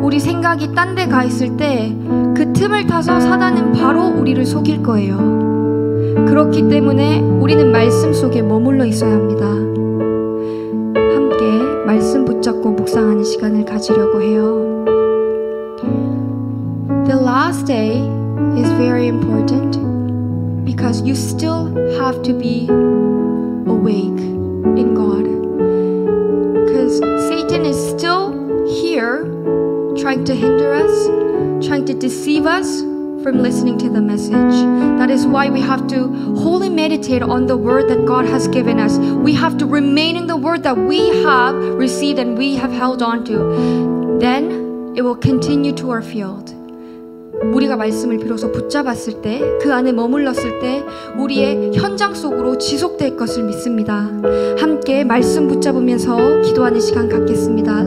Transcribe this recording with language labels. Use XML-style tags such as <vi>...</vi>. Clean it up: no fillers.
<ko>우리 생각이 딴 데 가 있을 때 그 틈을 타서 사단은 바로 우리를 속일 거예요. 그렇기 때문에 우리는 말씀 속에 머물러 있어야 합니다. 함께 말씀 붙잡고 묵상하는 시간을 가지려고 해요.</ko> <en>The last day is very important because you still have to be awake in God. Because Satan is still here trying to hinder us, trying to deceive us from listening to the message. That is why we have to wholly meditate on the word that God has given us. We have to remain in the word that we have received and we have held on to. Then it will continue to our field.</en> <ko>우리가 말씀을 비로소 붙잡았을 때, 그 안에 머물렀을 때 우리의 현장 속으로 지속될 것을 믿습니다. 함께 말씀 붙잡으면서 기도하는 시간 갖겠습니다.</ko>